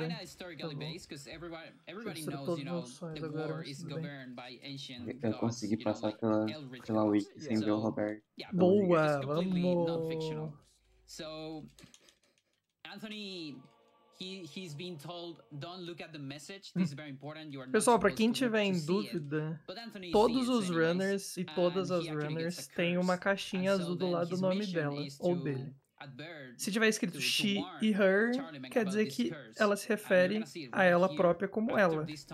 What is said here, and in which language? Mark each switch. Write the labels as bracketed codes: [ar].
[en] Kind of historically based, because everybody knows, you know, the war is governed by ancient gods. [pt] Eu consegui passar pela wiki sem ver o Robert. Boa, vamos! [en] So, Anthony... He's been told, don't look at the message. This is very important. You are [pt] pessoal, pra quem tiver em dúvida, todos os runners e todas as runners têm uma caixinha azul do lado do nome dela, ou dele. Se tiver escrito she e her, quer dizer que ela se refere a ela própria como ela.